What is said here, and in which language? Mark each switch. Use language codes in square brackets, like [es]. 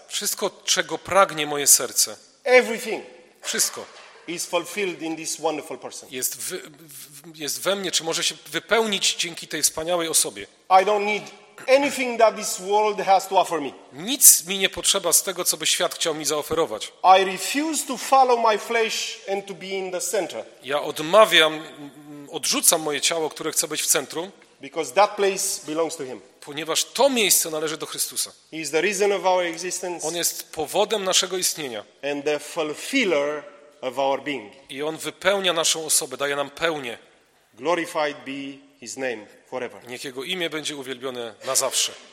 [pl] Wszystko, czego pragnie moje serce. [en] Everything. [pl] Wszystko. [en] is fulfilled in this wonderful person. [pl] Jest we mnie, czy może się wypełnić dzięki tej wspaniałej osobie. [en] I don't need anything that this world has to offer me. [pl] Nic mi nie potrzeba z tego, co by świat chciał mi zaoferować. [en] I refuse to follow my flesh and to be in the center. [pl] Ja odmawiam, odrzucam moje ciało, które chce być w centrum. [en] Because that place belongs to him. [pl] Ponieważ to miejsce należy do Chrystusa. [en] He is the reason of our existence. [pl] On jest powodem naszego istnienia. [en] And the fulfiller of our being. [pl] I on wypełnia naszą osobę, daje nam pełnię. [en] Glorified be his name forever. [pl] Niech jego imię będzie uwielbione na zawsze.